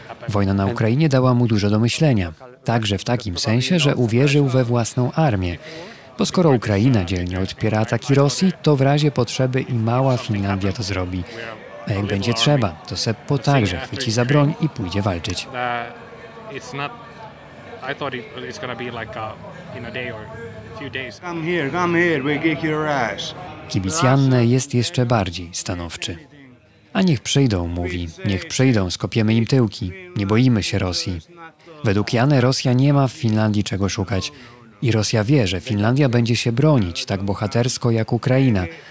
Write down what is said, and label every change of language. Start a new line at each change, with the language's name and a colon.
Polish: Wojna na Ukrainie dała mu dużo do myślenia, także w takim sensie, że uwierzył we własną armię. Bo skoro Ukraina dzielnie odpiera ataki Rosji, to w razie potrzeby i mała Finlandia to zrobi. A jak będzie trzeba, to Seppo także chwyci za broń i pójdzie walczyć.
English: it's not. I thought it's gonna be like in a day or a few days. Come here, we kick your ass.
Polish: Kibic Janne jest jeszcze bardziej stanowczy. A niech przyjdą, mówi. Niech przyjdą, skopiemy im tyłki. Nie boimy się Rosji. Według Janne Rosja nie ma w Finlandii czego szukać. I Rosja wie, że Finlandia będzie się bronić tak bohatersko jak Ukraina.